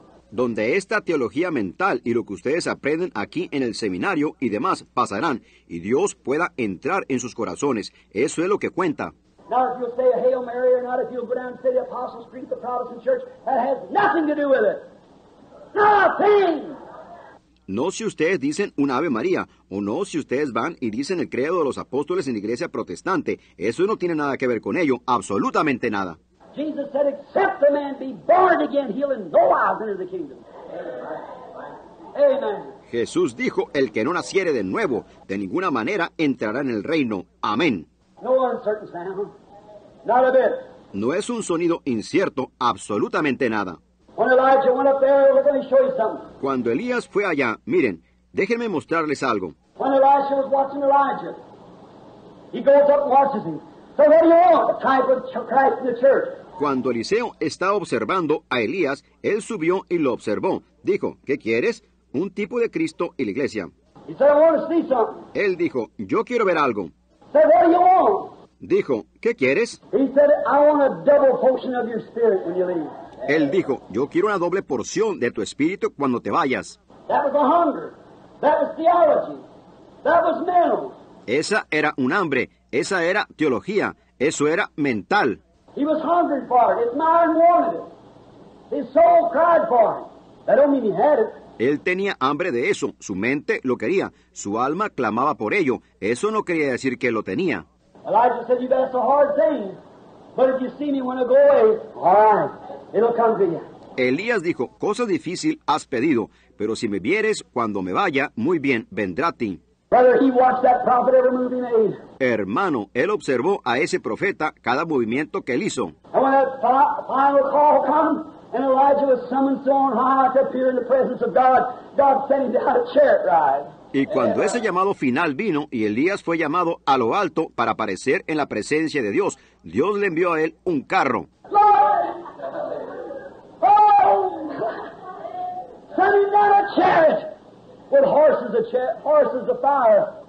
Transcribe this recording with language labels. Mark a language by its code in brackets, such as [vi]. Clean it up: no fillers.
[es] Donde esta teología mental y lo que ustedes aprenden aquí en el seminario y demás pasarán, y Dios pueda entrar en sus corazones, eso es lo que cuenta. [en] Now, if you'll say a Hail Mary or not, if you'll go down and say the Apostles' Creed, the Protestant Church, that has nothing to do with it. Nothing! [es] No si ustedes dicen un Ave María, o no si ustedes van y dicen el credo de los apóstoles en la iglesia protestante. Eso no tiene nada que ver con ello, absolutamente nada. [en] Jesus said, except the man be born again, he'll in no wise enter the kingdom. Amen. [es] Jesús dijo, el que no naciere de nuevo, de ninguna manera entrará en el reino. Amén. [en] No uncertain sound, not a bit. [es] No es un sonido incierto, absolutamente nada. [en] When Elijah went up there, let me show you something. [es] Cuando Elías fue allá, miren, déjenme mostrarles algo. [en] When Elijah was watching Elijah, he goes up and watches him. So what do you want? A type of Christ in the church. [es] Cuando Eliseo estaba observando a Elías, él subió y lo observó. Dijo, ¿qué quieres? Un tipo de Cristo y la iglesia. [en] He said, I want to see something. [es] Él dijo, yo quiero ver algo. [en] Said, what do you want? [es] Dijo, ¿qué quieres? [en] He said, I want a double portion of your spirit when you leave. [es] Él dijo, yo quiero una doble porción de tu espíritu cuando te vayas. [en] That was a hunger. That was theology. That was mental. [es] Esa era un hambre. Esa era teología. Eso era mental. [en] He was hungry for it. His mind wanted it. His soul cried for it. That don't mean he had it. [es] Él tenía hambre de eso, su mente lo quería, su alma clamaba por ello, eso no quería decir que lo tenía. [en] Elijah said, you've asked a hard thing, but if you see me when I go away, all right, it'll come to you. [es] Elías dijo, cosa difícil has pedido, pero si me vieres cuando me vaya, muy bien, vendrá a ti. [en] Brother, he watched that prophet every move he made. [es] Hermano, él observó a ese profeta cada movimiento que él hizo. [en] And when that final call comes, and Elijah was summoned so on high to appear in the presence of God. God sent him down a chariot ride. [es] Y cuando ese llamado final vino y Elías fue llamado a lo alto para aparecer en la presencia de Dios, Dios le envió a él un carro. [en] Lord! Oh! Send him down a chariot with horses of fire.